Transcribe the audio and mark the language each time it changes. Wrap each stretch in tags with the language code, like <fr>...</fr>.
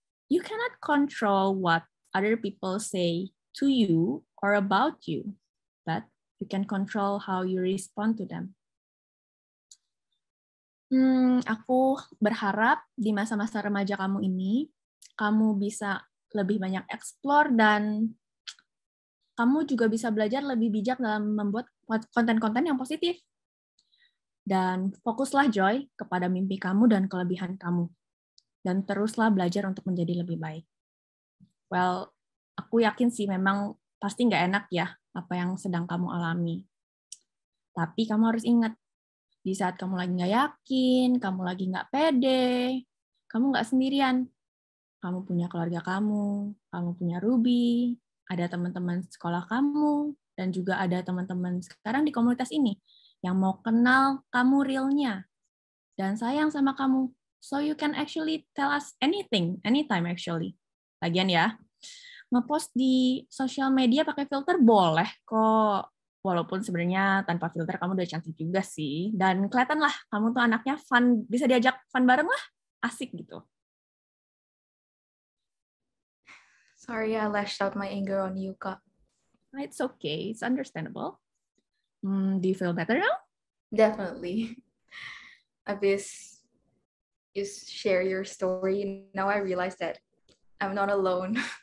<en>You cannot control what other people say to you or about you, but you can control how you respond to them.</en> <id>Aku berharap di masa-masa remaja kamu ini, kamu bisa lebih banyak explore dan kamu juga bisa belajar lebih bijak dalam membuat konten-konten yang positif. Dan fokuslah Joy kepada mimpi kamu dan kelebihan kamu. Dan teruslah belajar untuk menjadi lebih baik. Well, aku yakin sih memang pasti nggak enak ya apa yang sedang kamu alami. Tapi kamu harus ingat, di saat kamu lagi nggak yakin, kamu lagi nggak pede, kamu nggak sendirian. Kamu punya keluarga kamu punya Ruby, ada teman-teman sekolah kamu, dan juga ada teman-teman sekarang di komunitas ini yang mau kenal kamu realnya dan sayang sama kamu.</id> <en>So you can actually tell us anything, anytime actually.</en> <id>Lagian ya, ngepost di social media pakai filter boleh kok. Walaupun sebenarnya tanpa filter kamu udah cantik juga sih. Dan kelihatan lah kamu tuh anaknya fun, bisa diajak fun bareng lah, asik gitu.</id> <en>Sorry, I lashed out my anger on you, Kak. It's okay, it's understandable. Do you feel better now? Definitely.</en> <id>Abis</id> <en>you share your story, now I realize that I'm not alone.</en>